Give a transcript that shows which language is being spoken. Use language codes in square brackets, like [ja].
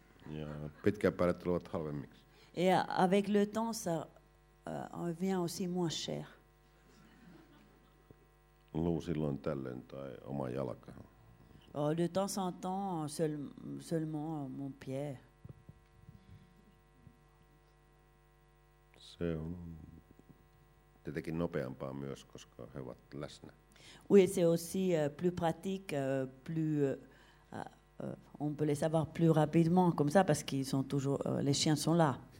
[fi] Ja pitkän päälle tulevat halvemmiksi. [fr] Et avec le temps, ça revient aussi moins cher. [fi] Luu silloin tällöin tai oma jalka. [fr] De temps en temps, seulement mon pied. [fi] Se on tietenkin nopeampaa myös, koska he ovat läsnä. [fr] Oui, c'est aussi plus pratique, plus... on peut les savoir plus rapidement comme ça parce qu'ils sont toujours les chiens sont là.